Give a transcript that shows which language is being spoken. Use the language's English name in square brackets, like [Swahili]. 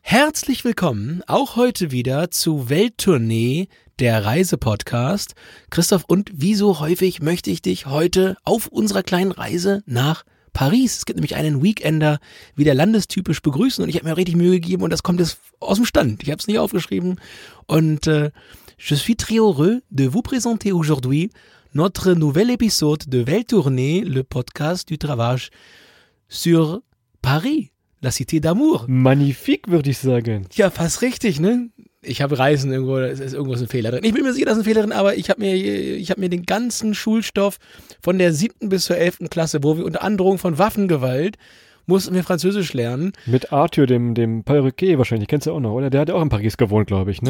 [German] Herzlich willkommen auch heute wieder zu Welttournee, der Reisepodcast. Christoph, und wie so häufig möchte ich dich heute auf unserer kleinen Reise nach Paris. Es gibt nämlich einen Weekender wieder landestypisch begrüßen und ich habe mir richtig Mühe gegeben und das kommt jetzt aus dem Stand. Ich habe es nicht aufgeschrieben und [French] je suis très heureux de vous présenter aujourd'hui notre nouvel épisode de Welttournee, le podcast du travail sur Paris, la cité d'amour. [German] Magnifique, würde ich sagen. Ja, fast richtig, ne? Ich habe Reisen irgendwo, da ist irgendwas ein Fehler drin. Ich bin mir sicher, dass ein Fehler drin, aber ich habe mir den ganzen Schulstoff von der 7. bis zur 11. Klasse, wo wir unter Androhung von Waffengewalt mussten wir Französisch lernen. Mit Arthur, dem Perruquier wahrscheinlich, kennst du auch noch, oder? Der hat ja auch in Paris gewohnt, glaube ich, ne?